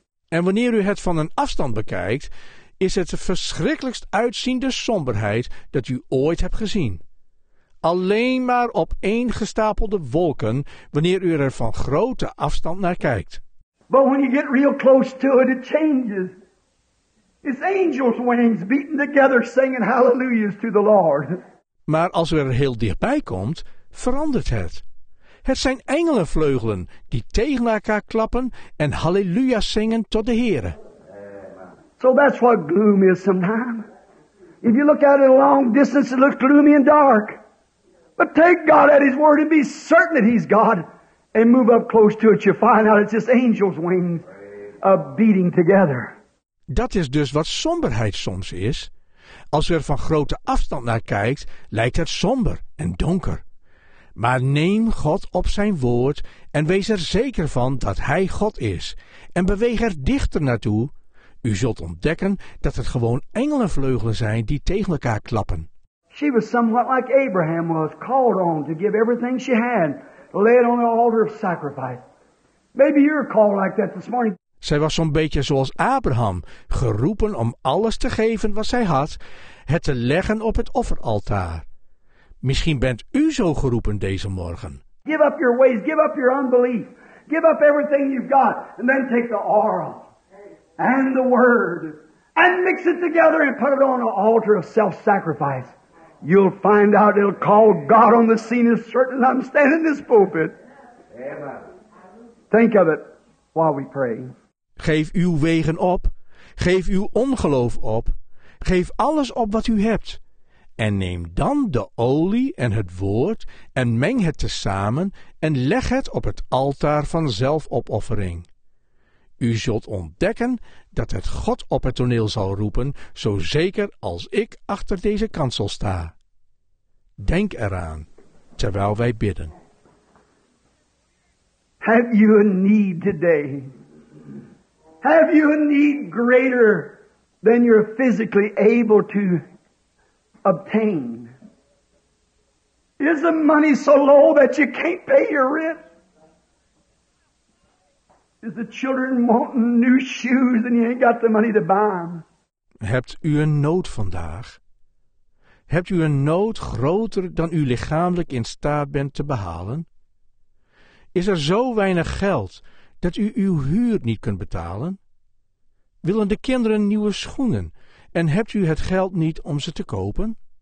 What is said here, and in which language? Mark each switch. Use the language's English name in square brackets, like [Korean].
[Dutch] En wanneer u het van een afstand bekijkt, is het de verschrikkelijkst uitziende somberheid dat u ooit hebt gezien. Alleen maar op één gestapelde wolken wanneer u er van grote afstand naar kijkt. [English] But when you get real close to it, it changes. It's angels' wings beating together singing hallelujahs to the Lord. [Dutch] Maar als u er heel dichtbij komt, verandert het. Het zijn engelenvleugelen die tegen elkaar klappen en halleluja zingen tot de Heere. [English] So that's what gloom is sometimes. If you look at it a long distance, it looks gloomy and dark. But take God at his word and be certain that he's God and move up close to it. You find out it's just angels' wings beating together. [Dutch] Dat is dus wat somberheid soms is. Als u er van grote afstand naar kijkt, lijkt het somber en donker. Maar neem God op zijn woord en wees er zeker van dat hij God is. En beweeg er dichter naartoe. U zult ontdekken dat het gewoon engelenvleugelen zijn die tegen elkaar klappen. [English] She was somewhat like Abraham was, called on to give everything she had, laid on the altar of sacrifice. Maybe you're called like that this morning. [Dutch] Zij was zo'n beetje zoals Abraham, geroepen om alles te geven wat zij had, het te leggen op het offeraltaar. Misschien bent u zo geroepen deze morgen. [English] Give up your ways, give up your unbelief, give up everything you've got, and then take the oil and the word, and mix it together and put it on the altar of self-sacrifice. You'll find out it'll call God on the scene as certain as I'm standing in this pulpit. Amen. Think of it while we pray. [Dutch] Geef uw wegen op. Geef uw ongeloof op. Geef alles op wat u hebt. En neem dan de olie en het woord en meng het tezamen en leg het op het altaar van zelfopoffering. U zult ontdekken dat het God op het toneel zal roepen, zo zeker als ik achter deze kansel sta. Denk eraan, terwijl wij bidden. [English] Have you a need today? Have you a need greater than you're physically able to obtain? Is the money so low that you can't pay your rent? Is the children wanting new shoes and you ain't got the money to buy them? [Dutch] Hebt u een nood vandaag? hebt u een nood groter dan u lichamelijk in staat bent te behalen? Is er zo weinig geld dat u uw huur niet kunt betalen? Willen de kinderen nieuwe schoenen en hebt u het geld niet om ze te kopen?